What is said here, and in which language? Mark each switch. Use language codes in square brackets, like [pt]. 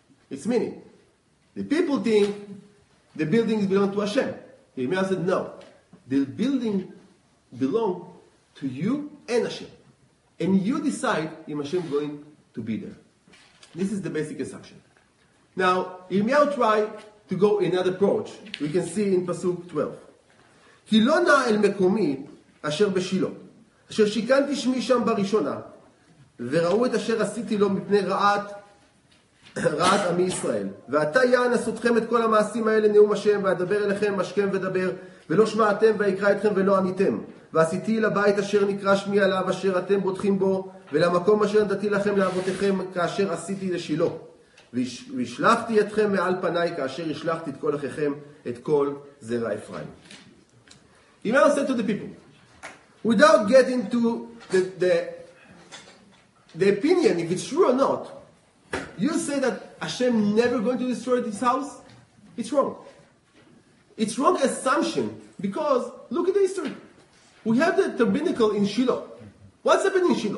[en] It's meaning, the people think the buildings belong to Hashem. Yirmiyahu said, no, the building belong to you and Hashem. And you decide if Hashem is going to be there. This is the basic assumption. Now, Yirmiyahu tried to go another approach. We can see in Pasuk 12. [he] כי לא נע אל מקומי אשר בשילו, אשר שיקנתי שמי שם בראשונה, וראו את אשר עשיתי לו מפני רעת עמי ישראל. ואתה יען עשותכם את כל המעשים האלה נאום השם, ואדבר אליכם משכם ודבר, ולא שמעתם ואקרא אתכם ולא עניתם. ועשיתי לבית אשר נקרא שמי עליו, אשר אתם בוטחים בו, ולמקום אשר נתתי לכם לאבותיכם כאשר עשיתי לשילו. וישלחתי אתכם מעל פניי כאשר השלחתי את כל אחיכם, את כל זרע אפרים. [en] Yirmiyahu said to the people, without getting to the opinion, if it's true or not, you say that Hashem never going to destroy this house? It's wrong. It's wrong assumption, because look at the history. We have the tabernacle in Shiloh. What's happening in Shiloh?